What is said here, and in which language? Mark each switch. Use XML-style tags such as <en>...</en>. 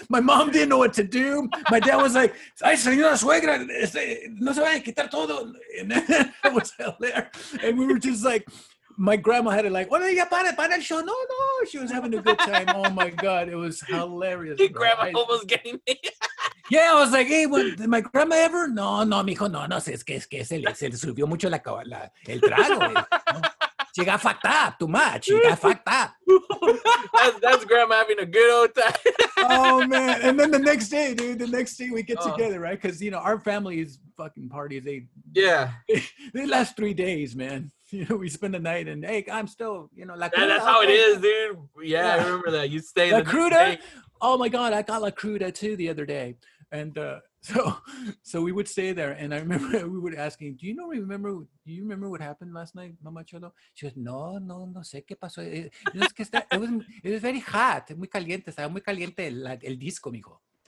<en>My mom didn't know what to do. My dad was like,</en> <es>ay, señora suegra, no se vaya a quitar todo.</es> <en>And then it was hilarious. And we were just like, my grandma had it like, what are you</en> <es>para el show?</es> <en>No, she was having a good time. Oh my God, it was hilarious. Your grandma almost getting me. Yeah, I was like, hey, what, did my grandma ever?</en> <es>No, mijo, no, es que se le subió mucho la el trago.</es> <en>No? She got fucked up too much. She got fucked up. That's grandma having a good old time. Oh, man. And then the next day we get together, right? Because, you know, our family is fucking parties. They last 3 days, man. You know, we spend the night and, hey, I'm still, you know, like, yeah, that's how it is, dude. Yeah, yeah, I remember that. You stay La Cruda? Oh, my God, I got La Cruda, too, the other day. And so we would stay there, and I remember we would ask him, do you remember what happened last night, Mamachilo? She goes,</en> <es>no sé qué pasó.</es> <en>It was very hot,</en> <es>muy caliente, estaba muy caliente el disco, mijo.</es>